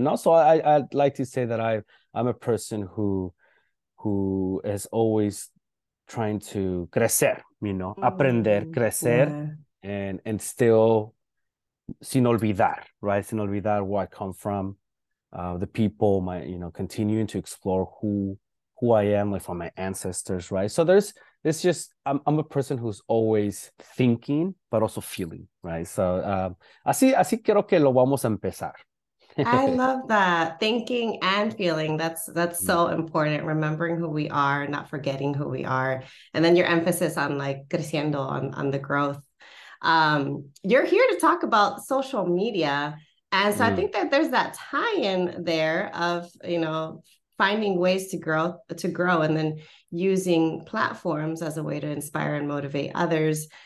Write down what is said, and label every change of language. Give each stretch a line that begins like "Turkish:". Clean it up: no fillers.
English: And also I'd like to say that I'm a person who is always trying to
Spanish: crecer, aprender, crecer,
English: and still
Spanish: sin olvidar,
English: right?
Spanish: Sin olvidar
English: where I come from, the people, continuing to explore who I am, like from my ancestors, right? So I'm a person who's always thinking, but also feeling, right?
Spanish: So así quiero que lo vamos a empezar.
English: I love that. Thinking and feeling. That's so important. Remembering who we are, not forgetting who we are. And then your emphasis on creciendo, on the growth. You're here to talk about social media. And so I think that there's that tie-in there of, finding ways to grow and then using platforms as a way to inspire and motivate others.